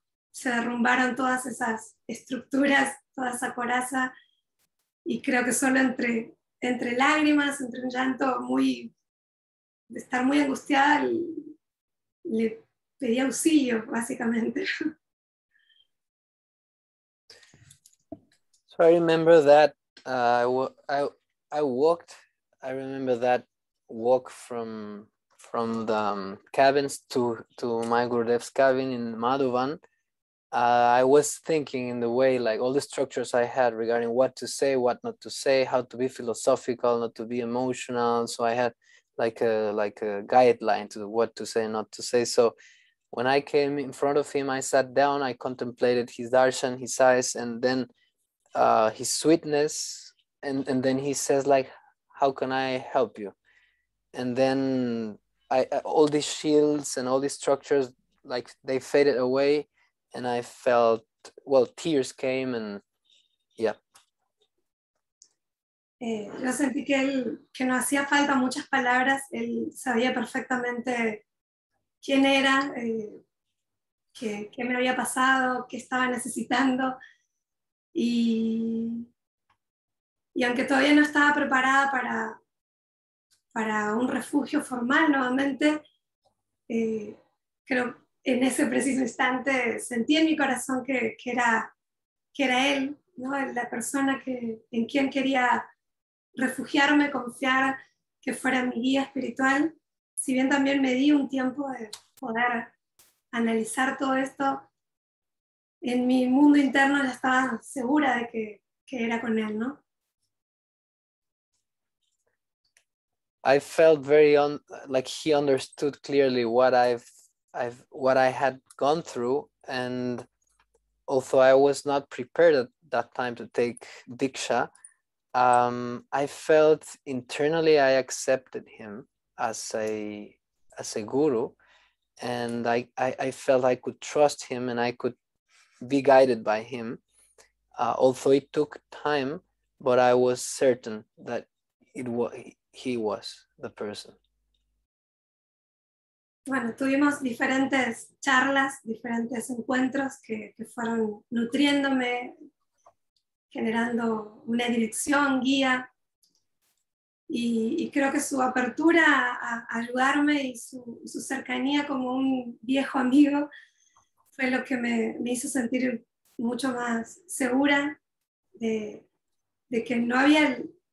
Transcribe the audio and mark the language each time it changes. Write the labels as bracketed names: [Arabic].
[Spanish] se derrumbaron todas esas estructuras, toda esa coraza, y creo que solo entre lágrimas, entre un llanto de estar muy angustiada, le pedí auxilio, básicamente. [English] So I remember that I remember that walk from the cabins to my Gurudev's cabin in Madhuban. I was thinking in the way, like all the structures I had regarding what to say, what not to say, how to be philosophical, not to be emotional. So I had like a guideline to what to say, not to say. So when I came in front of him, I sat down, I contemplated his darshan, his eyes, and then his sweetness. And then he says, like, how can I help you? And then all these shields and all these structures, like, they faded away. And I felt, well, tears came and, yeah. [Spanish] Yo sentí que él, que no hacía falta muchas palabras, él sabía perfectamente quién era, qué me había pasado, qué estaba necesitando. Y aunque todavía no estaba preparada para un refugio formal nuevamente, creo que en ese preciso instante sentí en mi corazón que era él, ¿no? La persona en quien quería refugiarme, confiar, que fuera mi guía espiritual. Si bien también me di un tiempo de poder analizar todo esto, en mi mundo interno ya estaba segura de que era con él, ¿no? [English] I felt very like he understood clearly what I had gone through, and although I was not prepared at that time to take Diksha, I felt internally I accepted him as a guru, and I felt I could trust him and I could be guided by him, although it took time, but I was certain that he was the person. [Spanish] Bueno, tuvimos diferentes charlas, diferentes encuentros que fueron nutriéndome, generando una dirección, guía, y creo que su apertura a ayudarme y su cercanía como un viejo amigo fue lo que me hizo sentir mucho más segura de que no había